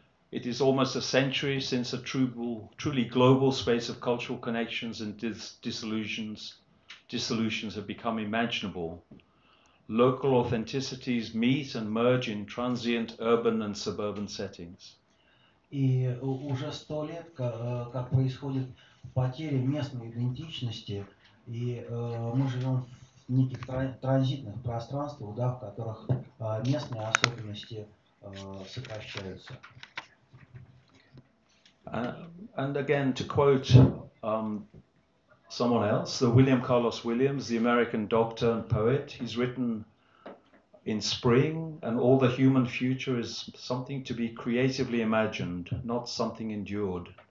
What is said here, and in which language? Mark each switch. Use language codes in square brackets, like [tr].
[en] It is almost a century since a truly global space of cultural connections and dissolutions have become imaginable. Local authenticities meet and merge in transient urban and suburban settings. [ru] И уже 100 лет, как происходит потеря местной идентичности, и мы живем в неких транзитных пространствах, да, в которых местные особенности сокращаются. [en] And again, to quote someone else, the William Carlos Williams, the American doctor and poet, he's written in spring, and all the human future is something to be creatively imagined, not something endured.